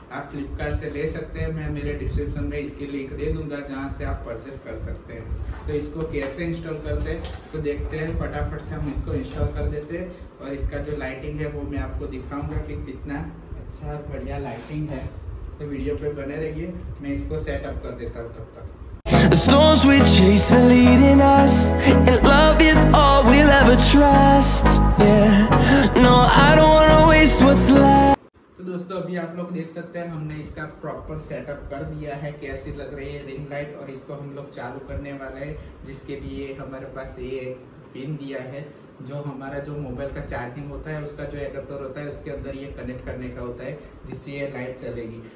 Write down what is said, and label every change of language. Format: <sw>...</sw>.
<hi>आप फ्लिपकार्ट से ले सकते हैं, मैं मेरे डिस्क्रिप्शन में इसकी लिंक दे दूंगा जहां से आप परचेस कर सकते हैं। तो इसको कैसे इंस्टॉल करते हैं तो देखते हैं, फटाफट से हम इसको इंस्टॉल कर देते हैं। और इसका जो लाइटिंग है वो मैं आपको दिखाऊंगा कि कितना अच्छा बढ़िया लाइटिंग है, तो वीडियो पे बने रहिए, मैं इसको सेटअप कर देता हूँ तब तक।</hi> <en>The storms we chase are leading us, and love is all we'll ever trust. Yeah, no, I don't wanna waste what's left.</en> <hi>तो दोस्तों अभी आप लोग देख सकते हैं, हमने इसका प्रॉपर सेटअप कर दिया है, कैसी लग रही है रिंग लाइट, और इसको हम लोग चालू करने वाले हैं, जिसके लिए हमारे पास ये पिन दिया है जो हमारा जो मोबाइल का चार्जिंग होता है उसका जो एडाप्टर होता है उसके अंदर ये कनेक्ट करने का होता है, जिससे ये लाइट चलेगी।</hi>